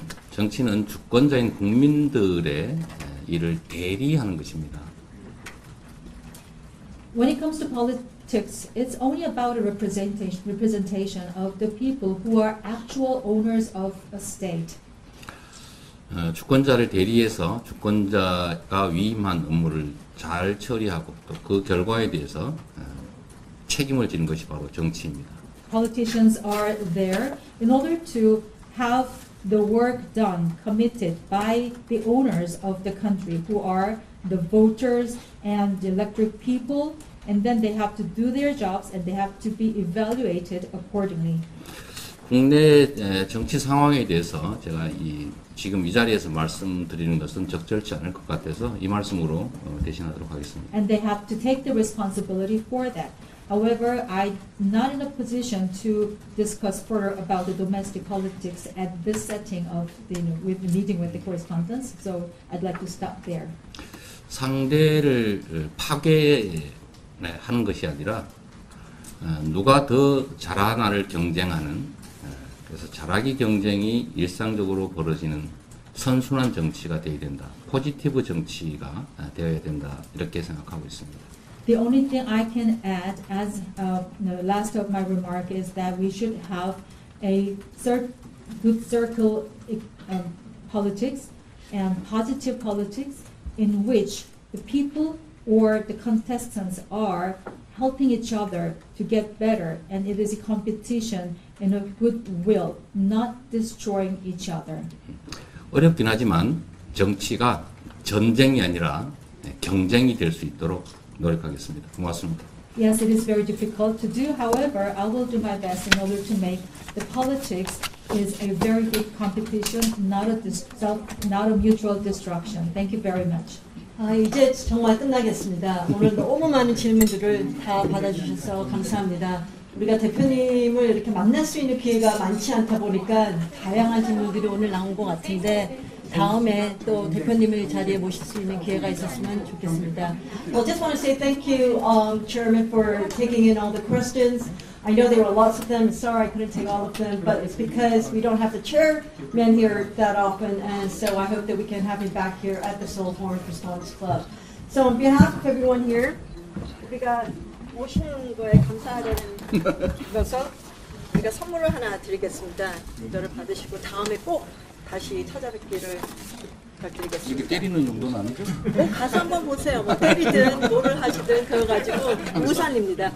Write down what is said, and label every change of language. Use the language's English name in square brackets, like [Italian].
[Korean] 정치는 주권자인 국민들의 일을 대리하는 것입니다. [English] When it comes to politics, it's only about a representation of the people who are actual owners of a state. [Korean] 주권자를 대리해서 주권자가 위임한 업무를 잘 처리하고 또 그 결과에 대해서 책임을 지는 것이 바로 정치입니다. [English] Politicians are there in order to have the work done, committed by the owners of the country, who are the voters and the electric people, and then they have to do their jobs and they have to be evaluated accordingly. [Korean] 국내 정치 상황에 대해서 제가 지금 이 자리에서 말씀드리는 것은 적절치 않을 것 같아서 이 말씀으로 대신하도록 하겠습니다. [English] And they have to take the responsibility for that. However, I'm not in a position to discuss further about the domestic politics at this setting of the meeting with the correspondents, so I'd like to stop there. [Korean] 상대를 파괴하는 것이 아니라 누가 더 잘하나를 경쟁하는, 그래서 잘하기 경쟁이 일상적으로 벌어지는 선순환 정치가 되어야 된다, 포지티브 정치가 되어야 된다, 이렇게 생각하고 있습니다. [English] The only thing I can add as the last of my remark is that we should have a good circle politics and positive politics in which the people or the contestants are helping each other to get better, and it is a competition in a good will, not destroying each other. [Korean] 어렵긴 하지만 정치가 전쟁이 아니라 경쟁이 될 수 있도록 노력하겠습니다. 고맙습니다. [English] Yes, it is very difficult to do. However, I will do my best in order to make the politics is a very big competition, not a mutual destruction. Thank you very much. [Korean] 아, 이제 정말 끝나겠습니다. 오늘 너무 많은 질문들을 다 받아주셔서 감사합니다. 우리가 대표님을 이렇게 만날 수 있는 기회가 많지 않다 보니까 다양한 질문들이 오늘 나온 것 같은데 다음에 또 대표님을 자리에 모실 수 있는 기회가 있었으면 좋겠습니다. [English] Well, just want to say thank you, Chairman, for taking in all the questions. I know there were lots of them. Sorry, I couldn't take all of them, but it's because we don't have the chairman here that often, and so I hope that we can have him back here at the Seoul Foreign Response Club. So on behalf of everyone here, [Korean] 우리가 오시는 거에 감사하다는 것에 우리가 선물을 하나 드리겠습니다. 이거를 받으시고 다음에 꼭 다시 찾아뵙기를 부탁드리겠습니다. 이렇게 때리는 용도는 아니죠? 뭐 가서 한번 보세요. 뭐 때리든 뭐를 하시든 그거 가지고 우산입니다.